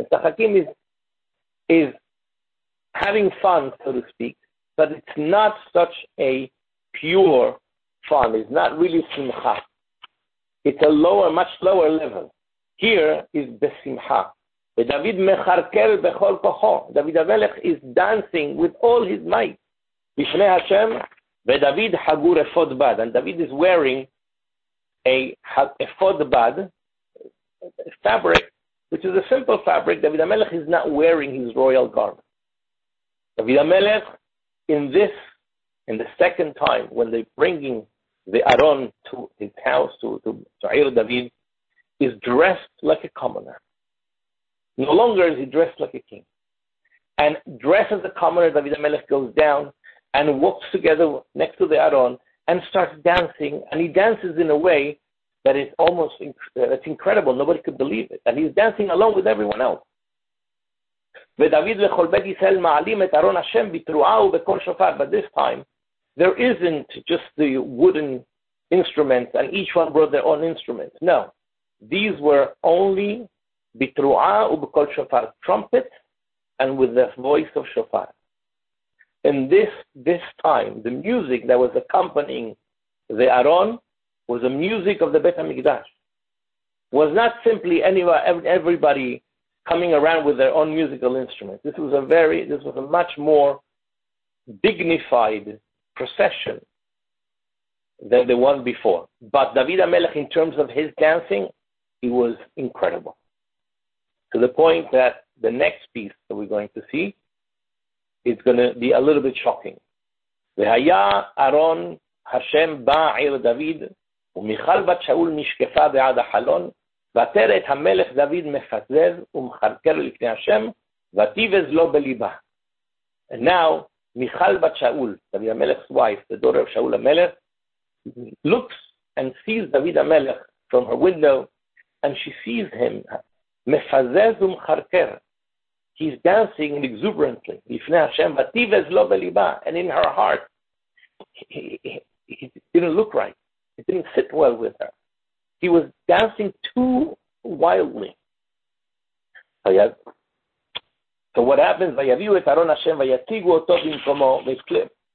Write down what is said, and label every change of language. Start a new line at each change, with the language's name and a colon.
English: Mesachakim is having fun, so to speak, but it's not such a pure fun. It's not really simcha. It's a lower, much lower level. Here is besimcha.
Hebrew: ודוד מחרקל בכל כוחו.
English: דוד המלך is dancing with all his might.
Hebrew: בשני השם, ודוד חגור אפוד בד.
English: And David is wearing a אפוד בד, a fabric, which is a simple fabric. דוד המלך is not wearing his royal garment. דוד המלך, in the second time, when they're bringing the Aaron to his house, to Eir David, is dressed like a commoner. No longer is he dressed like a king. And dressed as a commoner, David HaMelech goes down and walks together next to the Aaron and starts dancing. And he dances in a way that is almost it's incredible. Nobody could believe it. And he's dancing along with everyone else.
Hebrew: וְדָוִד לְכֹל בֵּית יִשְׂרָאֵל מַעֲלִים אֶת אָרֹן הַשֶּׁם בִּתְּרֻעָה וּבְקֹל שׁוֹפָר.
English: But this time, there isn't just the wooden instruments, and each one brought their own instruments. No. These were only
Hebrew: בִּתְּרֻעָה וּבְקֹל שׁוֹפָר,
English: trumpets, and with the voice of shofar. And this time, the music that was accompanying the Aaron was the music of the Beit HaMikdash. Was not simply everybody coming around with their own musical instruments. This was a much more dignified procession than the one before. But David HaMelech, in terms of his dancing, he was incredible. To the point that the next piece that we're going to see is going to be a little bit shocking.
Hebrew: V'haya Aaron Hashem ba'ir David u'michal bat Shaul mishkefa ve'ad ha'halon. ותרת המלך דוד מפזז ומחרקר לפני השם ותיבז לו בליבה.
English: And now, מיכל בת שאול, דוד המלך's wife, the daughter of שאול המלך, looks and sees דוד המלך from her window, and she sees him
Hebrew: מפזז ומחרקר.
English: He's dancing exuberantly
Hebrew: לפני השם ותיבז לו בליבה.
English: And in her heart, he didn't look right. It didn't sit well with her. He was dancing too wildly. So what happens?
Hebrew: Vayaviu et Aron Hashem vayatigu oto bimkomo v'klip.